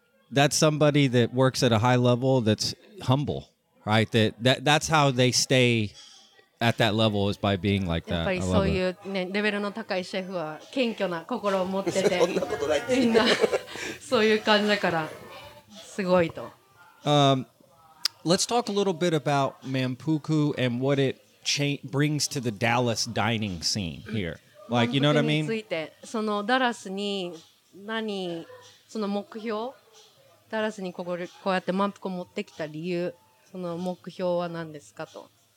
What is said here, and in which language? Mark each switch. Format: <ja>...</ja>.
<en>That's somebody that works at a high level that's humble, right? That's how they stay at that level is by being like that. I love it.</en> <ja>Yeah, レベルの高いシェフは謙虚な心を持ってて。そんなことないです。みんなそういう感じだからすごいと。</ja> <en>Let's talk a little bit about Manpuku and what it brings to the Dallas dining scene here. Like, you know what I mean?</en> <ja>について、そのダラスに何、その目標、ダラスにこうやって満腹を持ってきた理由、その目標は何ですかと。</ja>